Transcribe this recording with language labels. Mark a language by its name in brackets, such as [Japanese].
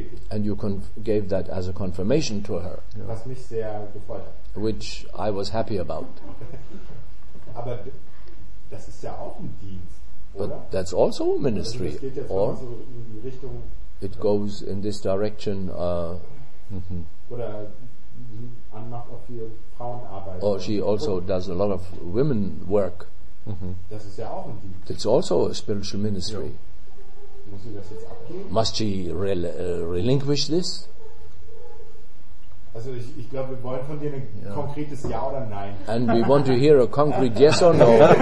[English] And you gave that as a confirmation to her. Yeah. Which I was happy about. [German] Aber das ist ja auch ein Dienst, oder? [English] But that's also a ministry. [German] Also das geht jetzt [English] or [German] so in die Richtung, [English] it goes in this direction. [German] Oder Anne macht auch viel Frauenarbeit. [English] Or she also does a lot of women work. [German] Das ist ja auch ein Dienst. [English] It's also a spiritual ministry. [German] Ja. Muss sie das jetzt abgeben? [English] Must she relinquish this? [German] Also ich glaube, wir wollen von dir ein konkretes Ja oder Nein. [English] And we want to hear a concrete Yes or No.